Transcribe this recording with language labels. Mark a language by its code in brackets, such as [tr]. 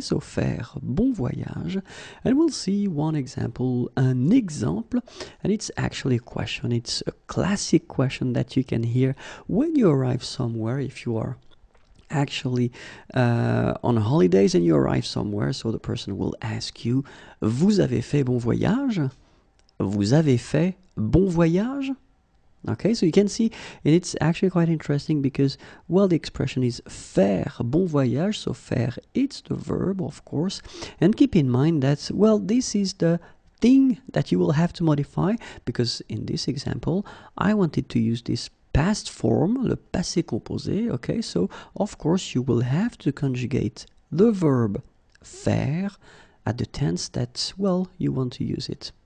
[en] So [fr] faire bon voyage. [en] And we'll see one example, an example. And it's actually a question. It's a classic question that you can hear when you arrive somewhere, if you are actually on holidays and you arrive somewhere. [fr] So the person will ask you, vous avez fait bon voyage? Vous avez fait bon voyage? [en] Okay, so you can see, and it's actually quite interesting because, well, the expression is [fr] faire bon voyage, [en] so faire, it's the verb, of course, and keep in mind that, well, this is the thing that you will have to modify, because in this example, I wanted to use this past form, [fr] le passé composé, [en] okay, so, of course, you will have to conjugate the verb faire at the tense that, well, you want to use it.